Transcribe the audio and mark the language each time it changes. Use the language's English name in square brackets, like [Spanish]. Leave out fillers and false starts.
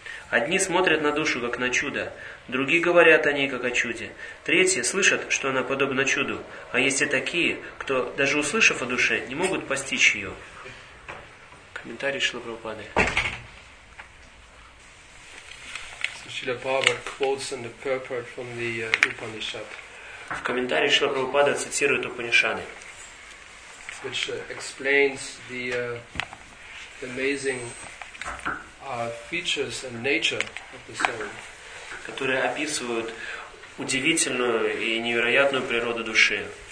[Russian] Одни смотрят на душу, как на чудо, другие говорят о ней, как о чуде. Третьи слышат, что она подобна чуду, а есть и такие, кто, даже услышав о душе, не могут постичь ее. Комментарий Шрилы Прабхупады. [English] Srila Prabhupada quotes in the purport from the Upanishad. [Russian] В комментарии Шрила Прабхупада цитирует Упанишады, [English] which explains the amazing features and nature of the soul. [Russian] Которые описывают удивительную и невероятную природу души.